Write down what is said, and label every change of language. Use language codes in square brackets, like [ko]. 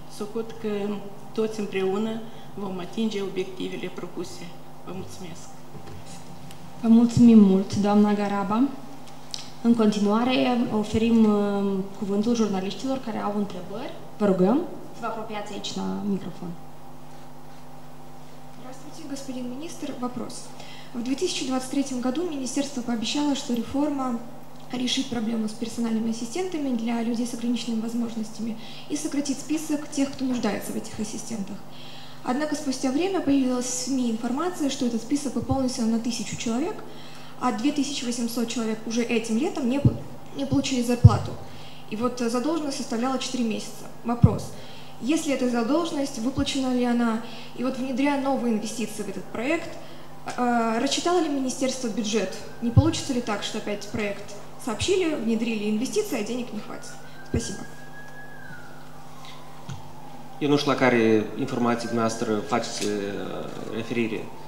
[ro] Socot că toți împreună vom atinge obiectivele propuse. Vă mulțumesc! Vă mulțumim mult, doamna Garaba. În continuare, oferim cuvântul jurnaliștilor care au întrebări. Vă rugăm să vă apropiați aici la microfon. [ru] Здравствуйте, господин министр. Вопрос. В 2023 году министерство пообещало, что реформа решит проблему с персональными ассистентами для людей с ограниченными возможностями и сократит список тех, кто нуждается в этих ассистентах. Однако спустя время появилась в СМИ информация, что этот список пополнился на 1000 человек, а 2800 человек уже этим летом не получили зарплату. И вот задолженность составляла 4 месяца. Вопрос. Есть ли эта задолженность, выплачена ли она? И вот внедряя новые инвестиции в этот проект, рассчитало ли министерство бюджет? Не получится ли так, что опять проект сообщили, внедрили инвестиции, а денег не хватит? Спасибо. [ro] Eu nu știu la care informații dumneavoastră faceți referire.